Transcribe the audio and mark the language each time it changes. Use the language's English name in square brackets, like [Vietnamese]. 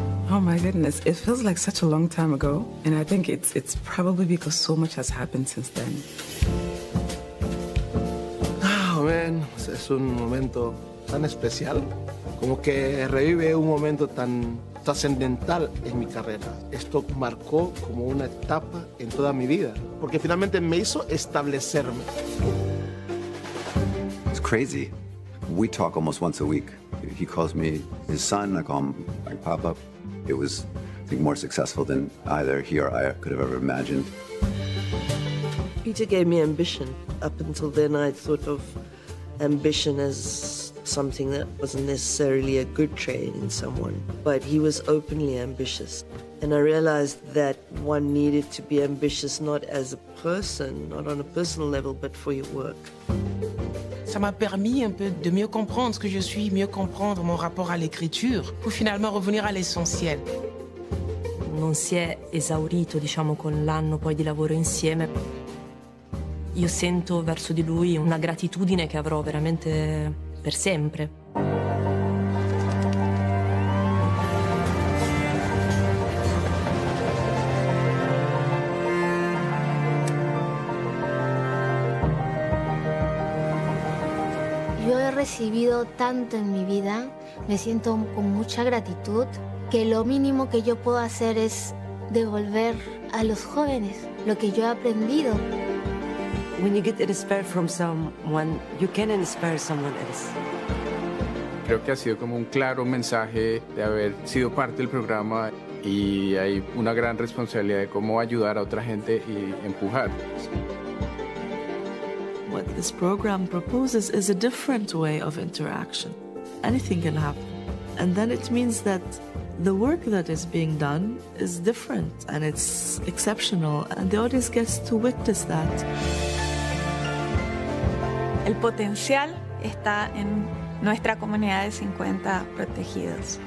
[English] Oh my goodness, it feels like such a long time ago, and I think it's probably because so much has happened since then. [Spanish] Oh man, es un momento tan especial, como que revive un momento tan trascendental en mi carrera. Esto marcó como una etapa en toda mi vida, porque finalmente me hizo establecerme. [English] It's crazy. We talk almost once a week. He calls me his son, I call him my papa. It was, I think, more successful than either he or I could have ever imagined. Pite gave me ambition. Up until then, I thought of ambition as something that wasn't necessarily a good trait in someone. But he was openly ambitious. And I realized that one needed to be ambitious not as a person, not on a personal level, but for your work. [French] Ça m'a permis un peu de mieux comprendre ce que je suis, mieux comprendre mon rapport à l'écriture, pour finalement revenir à l'essentiel. [Italian] Non si è esaurito, diciamo, con l'anno poi di lavoro insieme. Io sento verso di lui una gratitudine che avrò veramente per sempre. Mm. [Spanish] yo he recibido tanto en mi vida, me siento con mucha gratitud, que lo mínimo que yo puedo hacer es devolver a los jóvenes lo que yo he aprendido. [English] When you get inspired from someone, you can inspire someone else. [Spanish] Creo que ha sido como un claro mensaje de haber sido parte del programa y hay una gran responsabilidad de cómo ayudar a otra gente y empujar. [English] What this program proposes is a different way of interaction. Anything can happen. And then it means that the work that is being done is different and it's exceptional and the audience gets to witness that. [Spanish] El potencial está en nuestra comunidad de 50 protegidos.